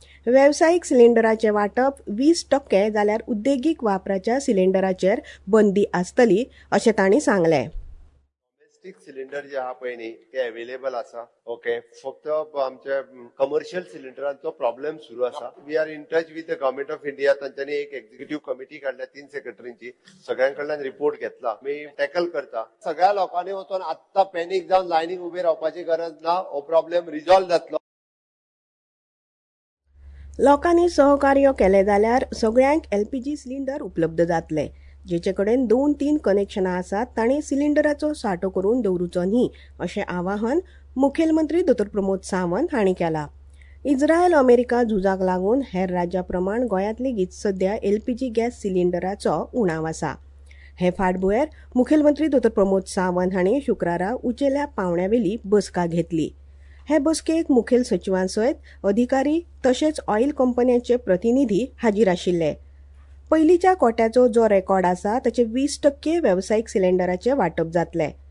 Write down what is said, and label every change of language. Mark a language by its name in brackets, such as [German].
[Goan Konkani] वेवसायीक सिलिंडराचें वांटप 20% जाल्यार उद्देगीक वापराच्या सिलिंडराचेर बंदी आसतली अशें तांणी सांगलें. सिलिंडर जे आहा पळय न्ही ते अवेलेबल आसा. ओके, फक्त आमचे कमर्शियल सिलिंडरांचो प्रॉब्लेम सुरू आसा. [English] We are in touch with the government of India. [Goan Konkani] तांच्यानी एक एक्झिक्युटिव्ह कमिटी काढल्या 3 सेक्रेटरींची. सगळ्यां कडल्यान रिपोर्ट घेतला, आम्ही टॅकल करता. सगळ्या लोकांनी वचून आत्ता पॅनिक जावन लायनीक उभे रावपाची गरज ना. हो प्रॉब्लेम रिझॉल्व जातलो. लोकांनी सहकार्य केले जाल्यार सगळ्यांक LPG सिलिंडर उपलब्ध जातले. जेचे कडेन 2-3 कनेक्शनां आसात तांणी सिलिंडराचो साठो करून दवरूचो न्ही अशें आवाहन मुखेलमंत्री दोतोर प्रमोद सावंत हांणी केला. इज्रायल अमेरिका झुजाक लागून हेर राज्या प्रमाण गोंयांत लेगीत सध्या LPG गॅस सिलिंडराचो उणाव आसा. हे फाटभुंयेर मुखेलमंत्री दोतोर प्रमोद सावंत हांणी शुक्रारा उंचेल्या पांवड्यावेली बसका घेतली. हे बसकेक मुखेल सचिवांसयत अधिकारी तशेंच ऑयल कंपन्यांचे प्रतिनिधी हाजीर आशिल्ले. पयलीच्या कोट्याचो जो रेकॉर्ड आसा ताचे 20% वेवसायीक सिलिंडराचे वाटप जातले.